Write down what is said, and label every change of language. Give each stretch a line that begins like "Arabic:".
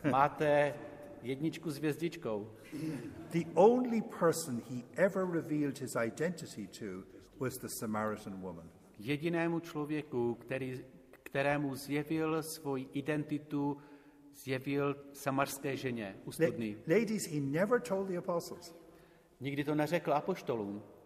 Czech: Máte jedničku s hvězdičkou.
English: The only person he ever revealed his identity to was the Samaritan woman.
Czech: Jedinému člověku, kterému zjevil svoji identitu, zjevil samařské ženě u studny.
English: Ladies, he never told the apostles.
Czech: Nikdy to neřekl apoštolům.